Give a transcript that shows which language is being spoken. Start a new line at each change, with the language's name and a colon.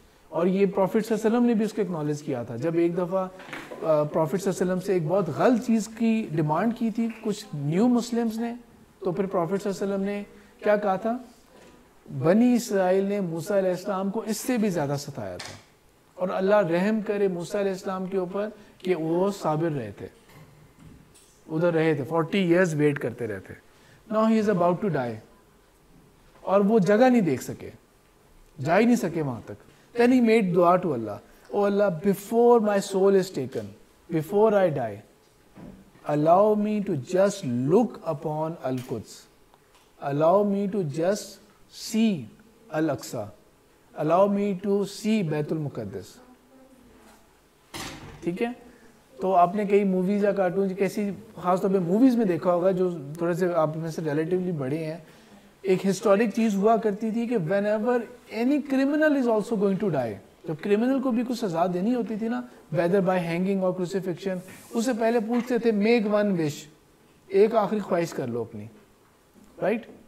Urdu: اور یہ پروفیٹ صلی اللہ علیہ وسلم نے بھی اس کو اکنالج کیا تھا. جب ایک دفعہ پروفیٹ صلی اللہ علیہ وسلم سے ایک بہت غلط چیز کی ڈیمانڈ کی تھی کچھ نیو مسلمس نے، تو پھر پروفیٹ صلی اللہ علیہ وسلم نے کیا کہا تھا؟ بنی اسرائیل نے موسیٰ علیہ السلام کو اس سے بھی زیادہ ستایا تھا، اور اللہ رحم کرے موسیٰ علیہ السلام کے اوپر کہ وہ صابر رہے تھے، ادھر رہے تھے، 40 years ویٹ کرتے رہتے.
English: Now he is about to die
Urdu: اور وہ جگہ نہیں دیکھ سکے، جا ہی نہیں سکے وہاں تک.
English: Then he made dua to Allah. Oh Allah, before my soul is taken, before I die, allow me to just look upon Al-Quds, allow me to just see Al-Aqsa, allow me to see Baitul Muqaddas.
Urdu: ٹھیک ہے، تو آپ نے کئی movies یا cartoon کیسی، خاص طور پہ موویز میں دیکھا ہوگا جو تھوڑے سے آپ میں سے ریلیٹیولی بڑے ہیں، ایک ہسٹورک چیز ہوا کرتی تھی کہ
English: whenever any criminal is also going to die,
Urdu: جب کرمنل کو بھی کچھ سزا دینی ہوتی تھی نا،
English: whether by hanging اور crucifixion,
Urdu: اس سے پہلے پوچھتے تھے
English: make one wish,
Urdu: ایک آخری خواہش کر لو اپنی، رائٹ؟